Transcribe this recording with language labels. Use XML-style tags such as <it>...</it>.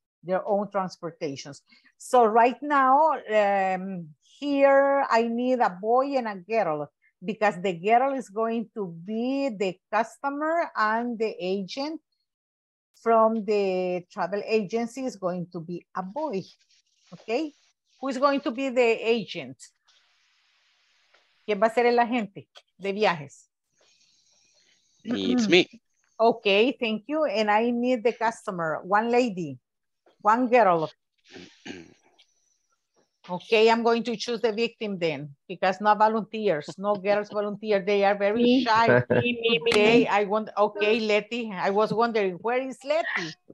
<en>Their own transportations. So right now, here I need a boy and a girl, because the girl is going to be the customer and the agent from the travel agency is going to be a boy, okay? Who is going to be the agent?</en> <es>¿Quién va a ser el agente de viajes?</es> <en>It's me. Okay, thank you. And I need the customer, one lady, one girl. Okay, I'm going to choose the victim then, because no volunteers, no girls volunteer. They are very shy. Okay, I want. Okay, Letty, I was wondering where is Letty.</en>